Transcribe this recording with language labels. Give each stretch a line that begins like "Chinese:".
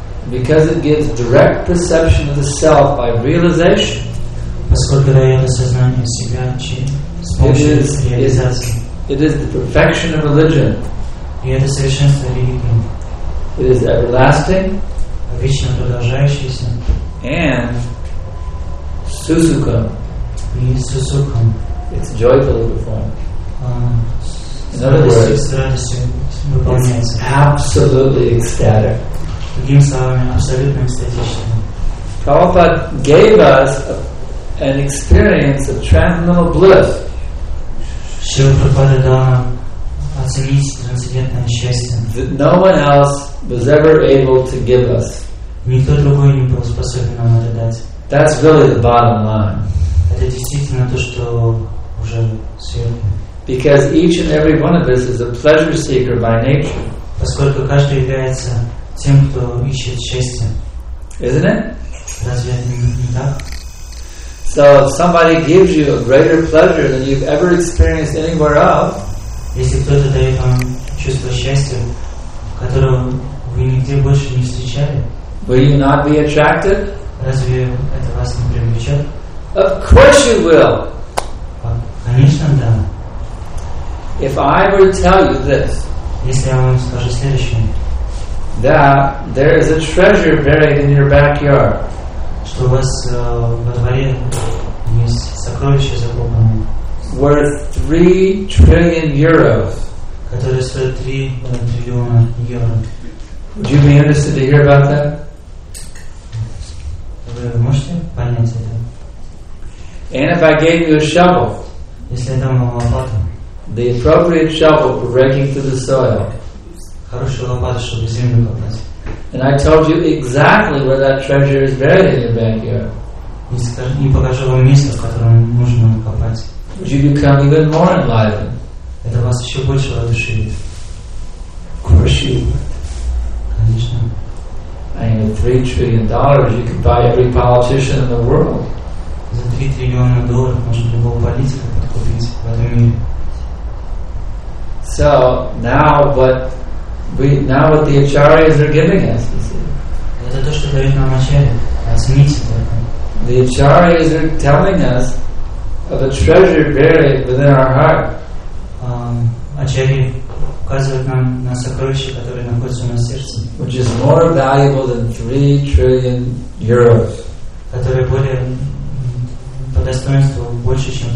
English: Because it gives direct perception of the self by realization.
Russian: Поскольку дает осознание себя через реализацию.
English: It is the perfection of religion.
Russian: И это совершенство религии.
English: It is everlasting.
Russian: Вечно продолжающееся.
English: And сусукам. It's joyfully performed. In other words, it's absolutely ecstatic.
Russian: Другими словами, абсолютно экстатичным.
English: Prabhupada gave us an experience of transcendental bliss.
Russian: Шрила Прабхупада дал нам оценить трансцендентное счастье.
English: That no one else was ever able to give us.
Russian: Никто другой не был способен нам это дать.
English: That's really the bottom line.
Russian: Это действительно то, что уже сверху.
English: Because each and every one of us is a pleasure seeker by nature.
Russian: Поскольку каждый является тем, кто ищет счастье.
English: Isn't it?
Russian: Разве не так?
English: So if somebody gives you a greater pleasure than you've ever experienced anywhere else,
Russian: если кто-то дает вам чувство счастья, которого вы нигде больше не встречали,
English: will you not be attracted?
Russian: Разве это вас не привлечет?
English: Of course you will.
Russian: Конечно, да.
English: If I were to tell you this,
Russian: если я вам скажу следующее,
English: that there is a treasure buried in your backyard,
Russian: что у вас во дворе есть сокровище закопанное,
English: worth 3 trillion euros,
Russian: которое стоит 3 триллиона евро.
English: Would you be interested to hear about that?
Russian: Вы можете понять это?
English: And if I gave you a shovel,
Russian: если я дам вам лопату,
English: the appropriate shovel for raking through the soil,
Russian: хорошую лопату, чтобы землю копать,
English: and I told you exactly where that treasure is buried in your backyard,
Russian: и покажу вам место, в котором нужно копать,
English: would you become even more enlightened?
Russian: Это вас еще больше воодушевит. Конечно.
English: I mean, with $3 trillion, you could buy every politician in the world.
Russian: За 3 триллиона долларов можно любого политика подкупить в этом мире.
English: So now what the acharyas are giving us, you see.
Russian: Это то, что дают нам ачарьи. Оцените это.
English: The acharyas are telling us of a treasure buried within our heart.
Russian: Ачарьи указывают нам на сокровище, которое находится у нас в сердце.
English: Which is more valuable than 3 trillion euros.
Russian: Которое более по достоинству больше, чем.